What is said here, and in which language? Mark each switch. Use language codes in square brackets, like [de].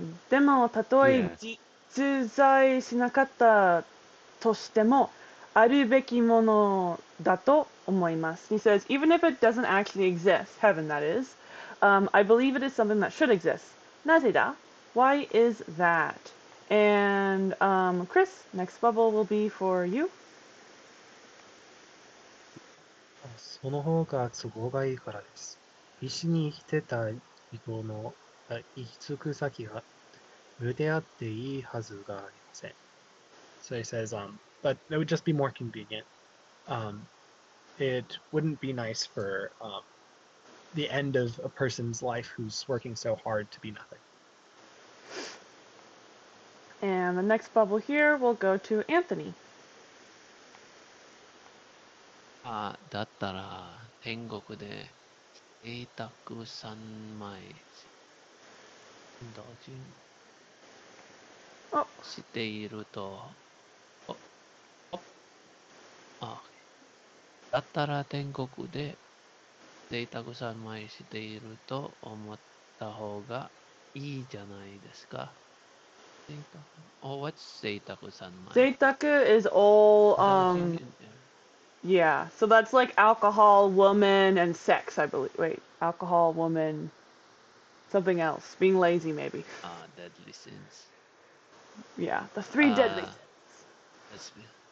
[ja] でもたとえ実在しなかったとしてもあるべきものだと思います。 [en] He says even if it doesn't actually exist, heaven that is, I believe it is something that should exist. [ja] なぜだ? [en] Why is that? And Chris, next bubble will be for you. [ja] その方が都合がいいからです。必死に生きてた人の行き着く先が無であっていいはずがありません。 [en] So he says, but it would just be more convenient. It wouldn't be nice for the end of a person's life who's working so hard to be nothing. And the next bubble here will go to Anthony. [ja] だったら天国で贅沢三昧していると、だったら天国で贅沢三昧していると思った方がいいじゃないですか。 [en] Oh, what's zeitaku sanmai? Zeitaku is all, yeah, so that's like alcohol, woman, and sex, I believe. Wait, alcohol, woman, something else, being lazy maybe. Deadly sins. Yeah, the three deadly sins.